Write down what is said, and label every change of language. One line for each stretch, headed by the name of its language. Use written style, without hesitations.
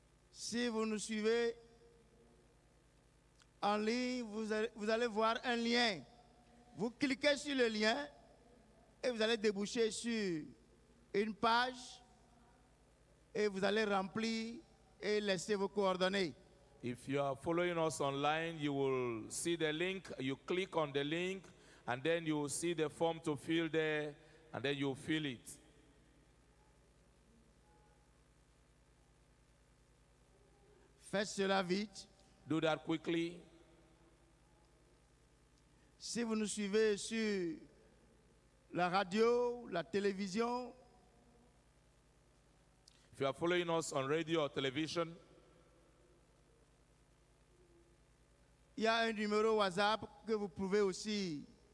French: Si vous nous suivez en ligne, vous allez voir un lien. Vous cliquez sur le lien et vous allez déboucher sur une page et vous allez remplir et laisser vos coordonnées.
English: If you are following us online, you will see the link. You click on the link, and then you will see the form to fill there, and then you will fill it.
French: Faites cela vite.
English: Do that quickly.
French: Si vous nous suivez sur la radio, la télévision.
English: If you are following us on radio or television,
French: il y a un numéro WhatsApp que vous pouvez aussi.